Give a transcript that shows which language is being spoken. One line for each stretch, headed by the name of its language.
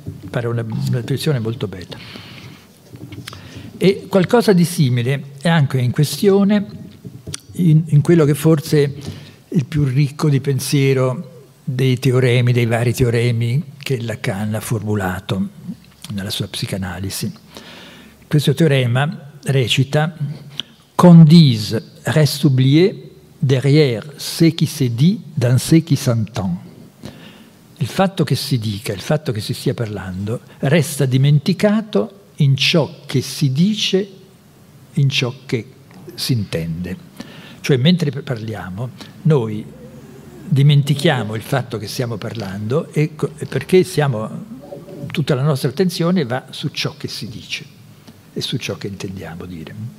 Italian: Pare una definizione molto bella. E qualcosa di simile è anche in questione in quello che forse è il più ricco di pensiero dei teoremi, dei vari teoremi che Lacan ha formulato nella sua psicanalisi. Questo teorema recita:
French: qu'on dise reste oublié derrière ce qui se dit dans ce qui s'entend.
Italian: Il fatto che si dica, il fatto che si stia parlando, resta dimenticato in ciò che si dice, in ciò che si intende. Cioè, mentre parliamo, noi dimentichiamo il fatto che stiamo parlando, e perché siamo, tutta la nostra attenzione va su ciò che si dice e su ciò che intendiamo dire.